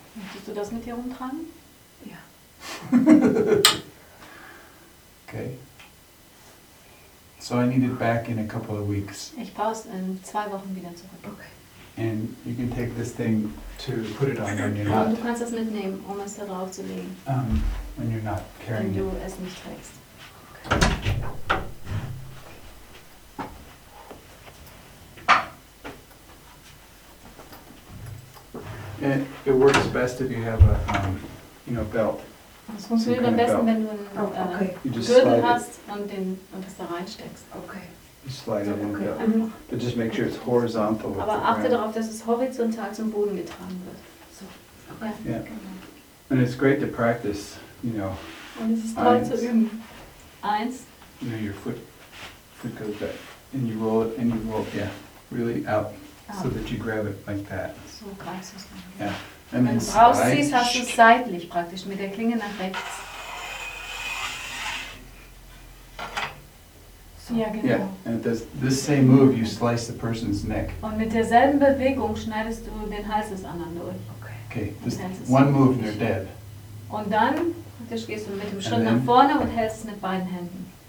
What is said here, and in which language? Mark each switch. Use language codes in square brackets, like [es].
[de] Möchtest du das mit dir rumtragen? Ja. [en] Okay. So I need it back in a couple of weeks. [de] Ich brauche es in 2 Wochen wieder zurück. [en] Okay. And you can take this thing to put it on when you're not. [de] Du kannst es mitnehmen, um es darauf zu legen. [en] When you're not carrying it. [de] Wenn du [en] it. [de] Es nicht trägst. [en] Okay. It works best if you have a, you know, belt. [de] Es funktioniert am besten, wenn du einen Gürtel hast und es da reinsteckst. [en] Okay. Slide it in there. But just make sure it's horizontal. [de] Aber achte darauf, dass es horizontal zum Boden getragen wird. [en] So. Okay. Yeah. Genau. And it's great to practice, you know. [de] Und es ist toll eins. Zu üben. Eins. [en] You know, your foot goes back. And you roll it, yeah. Really out. So that you grab it like that. [de] So greifst du es dann. [en] Yeah. [de] And wenn du raus siehst, hast du es seitlich praktisch, mit der Klinge nach rechts. Ja, genau. [en] Yeah, and this same move, you slice the person's neck. [de] Und mit derselben Bewegung schneidest du den Hals des anderen durch. [en] Okay. This one move, and you're dead. [de] Und dann praktisch gehst du mit dem Schritt nach vorne und hältst es mit beiden Händen.